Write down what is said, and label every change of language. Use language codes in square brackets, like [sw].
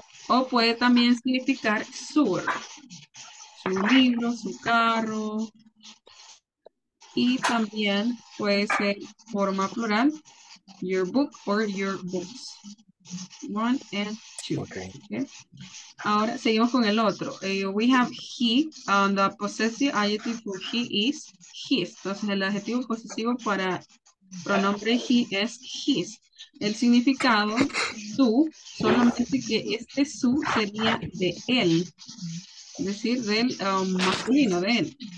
[es] o puede también significar su libro, su carro, y también puede ser forma plural, [en] your book or your books. One and two. Okay. [es] Ahora seguimos con el otro. [en] We have he, and the possessive adjective for he is his. [es] Entonces el adjetivo posesivo para pronombre he es his. El significado su, solamente que este su sería de él, es decir, del masculino, de él.